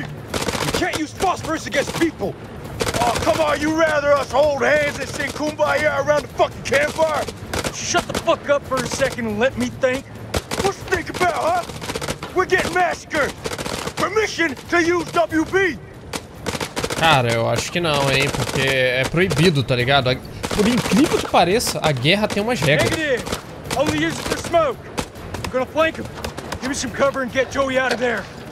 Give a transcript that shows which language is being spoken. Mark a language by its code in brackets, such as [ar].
[en] You can't use phosphorus against people. Oh, come on, you rather us hold hands and sing kumbaya around the fucking campfire? Shut the fuck up for a second and let me think. What's think about, huh? We're getting massacred. Permission to use WP. [pt] Cara, eu acho que não, hein? Porque é proibido, tá ligado? Por incrível que pareça, a guerra tem umas regras. [en] Only use it for smoke. We're gonna flank him. Give me some cover and get Joey out of there.